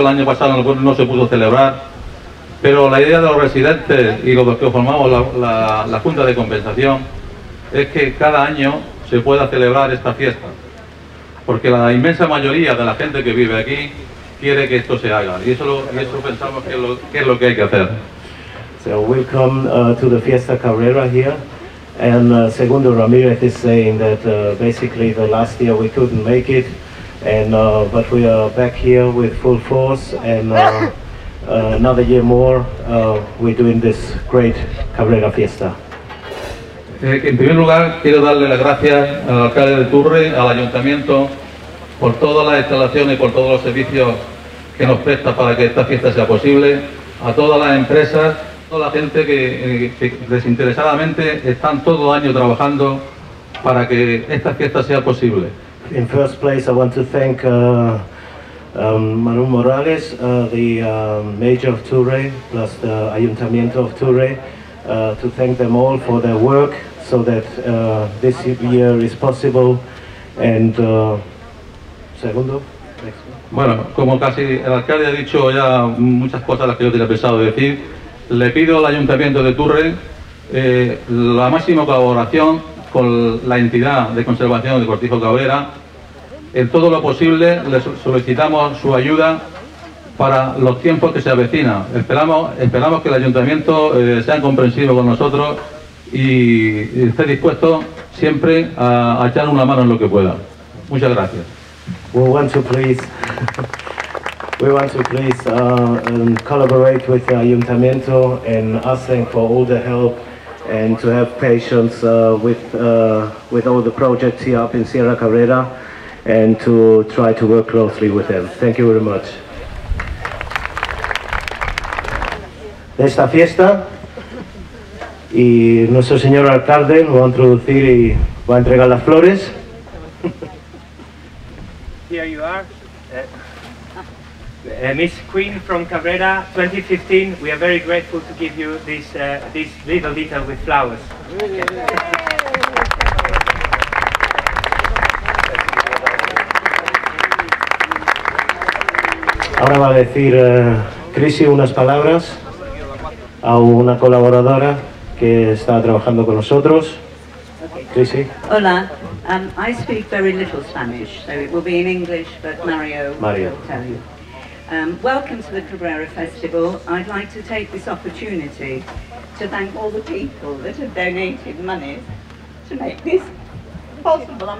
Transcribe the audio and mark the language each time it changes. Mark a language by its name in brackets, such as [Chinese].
[Spanish] El año pasado no se pudo celebrar, pero la idea de los residentes y los que formamos la Junta de Compensación es que cada año se pueda celebrar esta fiesta, porque la inmensa mayoría de la gente que vive aquí quiere que esto se haga, y eso pensamos que es lo que hay que hacer. [English] So we'll come to the Fiesta Cabrera here, and Segundo Ramirez is saying that basically the last year we couldn't make it, and but we are back here with full force, and another year more we're doing this great Cabrera Fiesta. [Spanish] En primer lugar, quiero darle las gracias al alcalde de Turre, al ayuntamiento, por todas las instalaciones y por todos los servicios que nos presta para que esta fiesta sea posible, a todas las empresas, a toda la gente que desinteresadamente están todo el año trabajando para que esta fiesta sea posible. [English] In first place, I want to thank Manu Morales, the mayor of Turre, plus the ayuntamiento of Turre, to thank them all for their work, so that this year is possible. And segundo, next. [Spanish] Bueno, como casi el alcalde ha dicho ya muchas cosas las que yo tenía pensado decir, le pido al ayuntamiento de Turre la máxima colaboración con la entidad de conservación de Cortijo Cabrera. En todo lo posible le solicitamos su ayuda para los tiempos que se avecinan. Esperamos que el ayuntamiento sea comprensivo con nosotros y esté dispuesto siempre a echar una mano en lo que pueda. Muchas gracias. [English] We want to please collaborate with the ayuntamiento and asking for all the help and to have patience with all the projects here up in Sierra Cabrera, and to try to work closely with them. Thank you very much. [Spanish] De esta fiesta, y nuestro señor alcalde lo va a introducir y va a entregar las flores. [English] Here you are. Miss Queen from Cabrera 2015, we are very grateful to give you this this little litter with flowers. [Spanish] Ahora va a decir Crisi unas palabras a una colaboradora que está trabajando con nosotros. Okay. Sí, sí. [English] Hola, I speak very little Spanish, so it will be in English, but Mario will tell you. Welcome to the Cabrera Festival. I'd like to take this opportunity to thank all the people that have donated money to make this possible.